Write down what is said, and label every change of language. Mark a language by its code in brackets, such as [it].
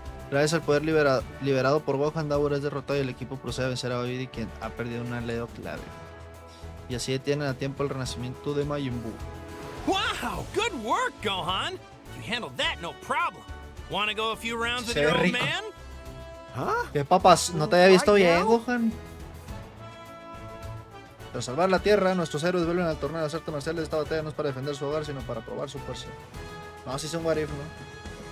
[es] Gracias al poder liberado por Gohan, Dabura es derrotado y el equipo procede a vencer a Baby, quien ha perdido un aliado clave. Y así detienen a tiempo el renacimiento de Majin Buu. [en] Wow, good work, Gohan. You handled that no problem. Wanna go a few rounds with your old man? [es] ¿Qué papas? No te había visto bien, Gohan. Tras salvar la tierra, nuestros héroes vuelven al torneo de las artes marciales. Esta batalla no es para defender su hogar, sino para probar su fuerza. No, así es un what if, ¿no?